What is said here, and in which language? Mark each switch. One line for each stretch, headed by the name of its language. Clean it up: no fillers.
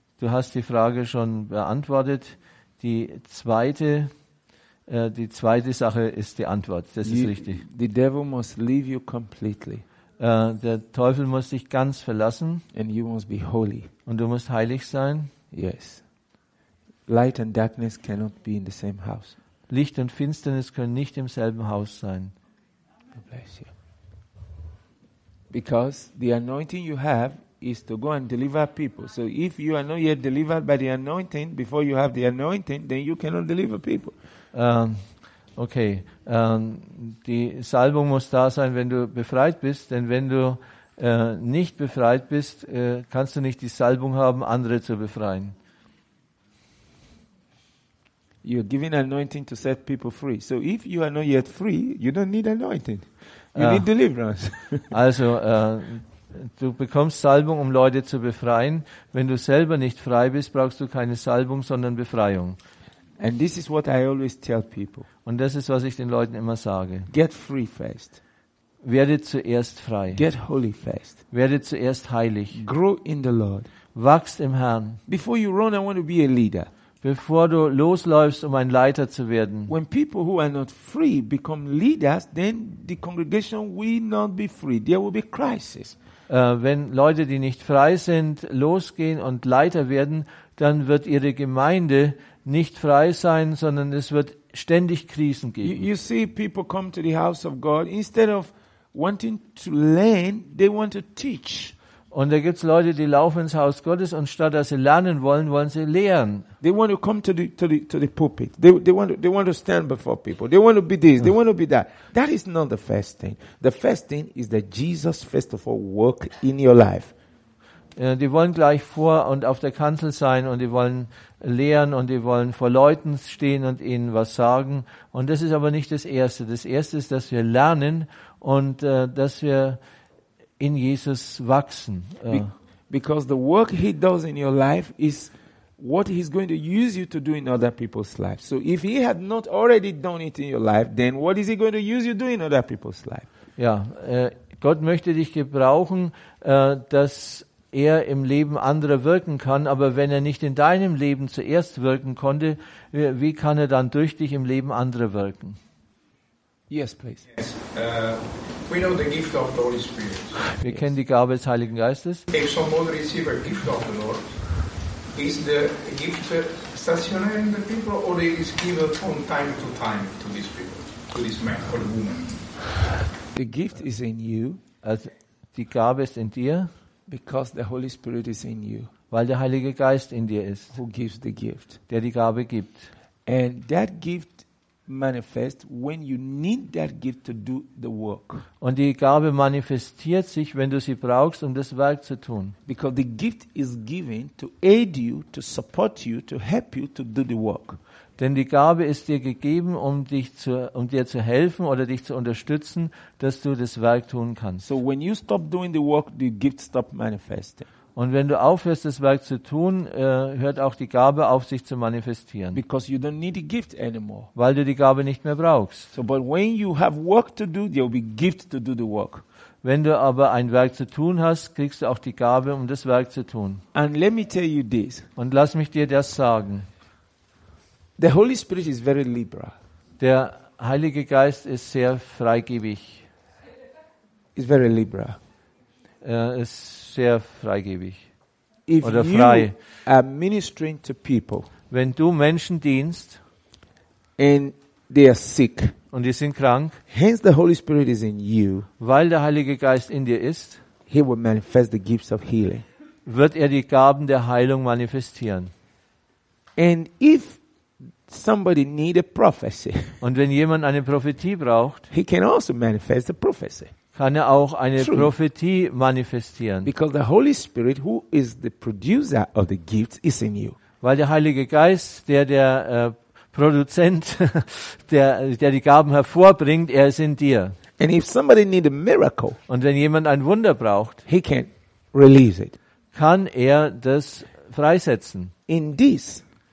German: Du hast die Frage schon beantwortet. Die zweite Sache ist die Antwort. Das ist richtig.
English: The devil must leave you completely.
German: Der Teufel muss dich ganz verlassen.
English: And you must be holy.
German: Und du musst heilig sein.
English: Yes. Light and darkness cannot be in the same house.
German: Licht und Finsternis können nicht im selben Haus sein.
English: God bless you. Because the anointing you have is to go and deliver people. So if you are not yet delivered by the anointing before you have the anointing, then you cannot deliver people. Okay.
German: Die Salbung muss da sein, wenn du befreit bist, denn wenn du nicht befreit bist, kannst du nicht die Salbung haben, andere zu befreien.
English: You're giving anointing to set people free. So if you are not yet free, you don't need anointing. You need deliverance.
German: Also, du bekommst Salbung, um Leute zu befreien. Wenn du selber nicht frei bist, brauchst du keine Salbung, sondern Befreiung.
English: And this is what I always tell people.
German: Und das ist, was ich den Leuten immer sage.
English: Get free first.
German: Werde zuerst frei.
English: Get holy first.
German: Werde zuerst heilig.
English: Grow in the Lord.
German: Wachst im Herrn.
English: Before you run, I want to be a leader.
German: bevor du losläufst, um ein Leiter zu werden.
English: When people who are not free become leaders, then the congregation will not be free. There will be crisis.
German: Wenn Leute, die nicht frei sind, losgehen und Leiter werden, dann wird ihre Gemeinde nicht frei sein, sondern es wird ständig Krisen geben.
English: You see, people come to the house of God instead of wanting to learn, they want to teach.
German: Und da gibt's Leute, die laufen ins Haus Gottes und statt dass sie lernen wollen, wollen sie lehren.
English: They want to come to the pulpit. They want to stand before people. They want to be this. They want to be that. That is not the first thing. The first thing is that Jesus first of all work in your life.
German: Ja, die wollen gleich vor und auf der Kanzel sein und die wollen lehren und die wollen vor Leuten stehen und ihnen was sagen. Und das ist aber nicht das Erste. Das Erste ist, dass wir lernen und dass wir in Jesus wachsen.
English: Because the work he does in your life is what he's going to use you to do in other people's lives. So if he had not already done it in your life, then what is he going to use you to do in other people's life?
German: Ja, Gott möchte dich gebrauchen, dass er im Leben anderer wirken kann, aber wenn er nicht in deinem Leben zuerst wirken konnte, wie kann er dann durch dich im Leben anderer wirken?
English: Yes, please. Yes. We know the gift of the Holy Spirit.
German: Wir kennen die Gabe des Heiligen Geistes.
English: If someone receives a gift of the Lord, is the gift stationary in the people or it is given from time to time to these people, to this man or woman? The gift is in you.
German: Die Gabe ist in dir.
English: Because the Holy Spirit is in you.
German: Weil der Heilige Geist in dir ist.
English: Who gives the gift?
German: Der die Gabe gibt.
English: And that gift manifest when you need that gift to do the work.
German: Und die Gabe manifestiert sich, wenn du sie brauchst, um das Werk zu tun.
English: Because the gift is given to aid you, to support you, to help you to do the work.
German: Denn die Gabe ist dir gegeben, um dir zu helfen oder dich zu unterstützen, dass du das Werk tun kannst.
English: So when you stop doing the work, the gift stop manifesting.
German: Und wenn du aufhörst, das Werk zu tun, hört auch die Gabe auf, sich zu manifestieren.
English: Because you don't need the gift anymore.
German: Weil du die Gabe nicht mehr brauchst.
English: So, but when you have work to do, there will be gift to do the work.
German: Wenn du aber ein Werk zu tun hast, kriegst du auch die Gabe, um das Werk zu tun.
English: And let me tell you this.
German: Und lass mich dir das sagen.
English: The Holy Spirit is very liberal.
German: Der Heilige Geist ist sehr freigebig.
English: Is very liberal.
German: Ist sehr freigebig.
English: If
German: oder frei.
English: You are ministering to people,
German: wenn du Menschen dienst,
English: and they are sick,
German: und die sind krank,
English: hence the Holy Spirit is in you,
German: weil der Heilige Geist in dir ist,
English: he will manifest the gifts of healing.
German: Wird er die Gaben der Heilung manifestieren.
English: And if somebody need a prophecy,
German: und wenn jemand eine Prophetie braucht,
English: he can also manifest the prophecy.
German: Kann er auch eine True. Prophetie manifestieren.
English: Because the Holy Spirit, who is the producer of the gifts, is in you.
German: Weil der Heilige Geist, der Produzent, der die Gaben hervorbringt, er ist in dir.
English: And if somebody need a miracle,
German: und wenn jemand ein Wunder braucht,
English: he can release it.
German: Kann er das freisetzen.
English: In this,